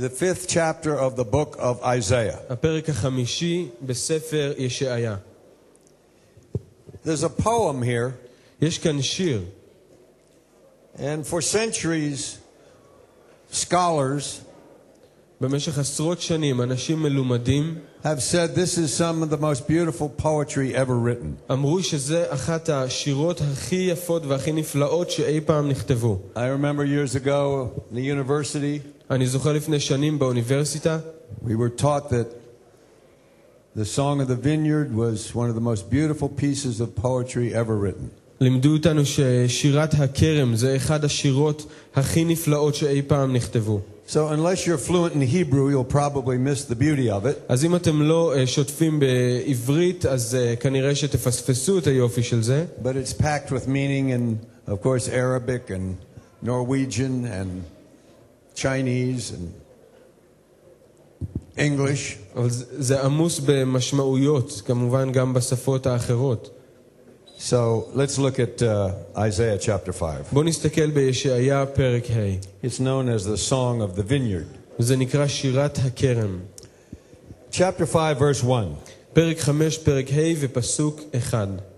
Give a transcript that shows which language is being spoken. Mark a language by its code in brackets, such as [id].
[en] The fifth chapter of the book of Isaiah. [he] Haperek ha-chamishi b'sefer Yeshayah. [en] There's a poem here. [he] Yesh kan shir. [en] And for centuries, scholars [he] במשך עשרות שנים אנשים מלומדים [en] have said this is some of the most beautiful poetry ever written. [he] אמרו שזה אחת השירות הכי יפות והכי נפלאות שאי פעם נכתבו. [en] I remember years ago in the university. [he] אני זוכר לפני שנים באוניברסיטה. [en] We were taught that the song of the vineyard was one of the most beautiful pieces of poetry ever written. [he] לימדו אותנו ששירת הכרם זה אחד השירות הכי נפלאות שאי פעם נכתבו. [en] So unless you're fluent in Hebrew, you'll probably miss the beauty of it. [he] אז אם אתם לא שוטפים בעברית, אז כנראה שתפספסו את היופי של זה. [en] But it's packed with meaning in, of course, Arabic and Norwegian and Chinese and English. [he] אבל זה עמוס במשמעויות, כמובן גם בשפות האחרות. [en] So let's look at Isaiah chapter 5. [he] בוא נסתכל בישעיה פרק ה'. [en] It's known as the song of the vineyard. [he] זה נקרא שירת הכרם. [en] Chapter 5 verse 1. [he] פרק 5 פרק ה' ופסוק 1.